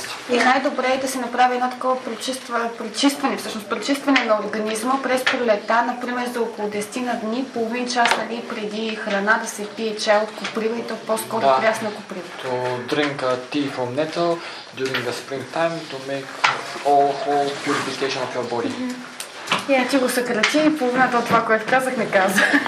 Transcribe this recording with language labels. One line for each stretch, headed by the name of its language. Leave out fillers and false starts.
Bulgarian: И най-добре е да се направи едно такова пречистване, всъщност пречистване на организма през пролетта, например за около 10 дни, половин час нали, преди храна да се пие чай от коприва и то по-скоро прясна коприва.
English: To drink tea from nettle during the springtime to make all whole purification of your body. Mm-hmm.
Bulgarian: Yeah, ти го съкрати и половината от това, което казах, не каза.